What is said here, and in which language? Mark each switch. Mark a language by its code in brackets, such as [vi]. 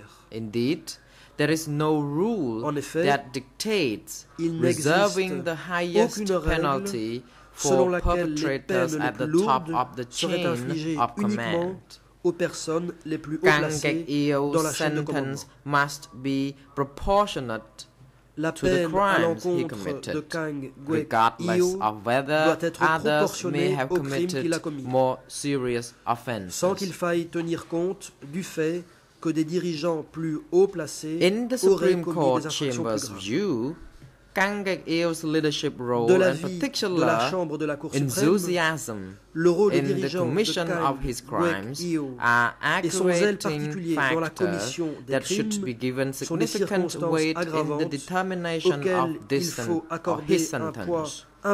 [en] Indeed, there is no rule that dictates reserving the highest penalty for perpetrators at the top of the chain of command. [fr] Aux personnes les plus haut placées dans la chaîne de commandement. [en] Kaing Guek Eav's sentence must be proportionate [fr] la [en] to the crimes he committed, regardless of whether others may have committed more serious offenses. [fr] Sans qu'il faille tenir compte du fait que des dirigeants plus haut placés auraient commis des infractions plus graves. [en] In the Supreme Court Chamber's view, Kaing Guek Eav's leadership role, and particularly enthusiasm in the commission of his crimes, are aggravating factors that should be given significant weight in the determination of this or his sentence.